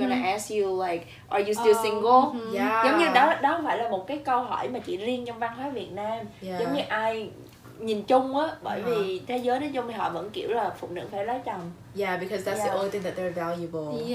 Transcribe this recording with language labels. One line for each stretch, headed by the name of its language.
English: gonna ask you like are you still single? Mm-hmm. Yeah.
Vietnamese: Giống như đó không phải là một cái câu hỏi mà chỉ riêng trong văn hóa Việt Nam.
English: Yeah.
Vietnamese: Giống như ai nhìn chung á, bởi vì thế giới nói chung thì họ vẫn kiểu là phụ nữ phải lấy chồng.
English: Yeah, because that's the only thing that they're valuable.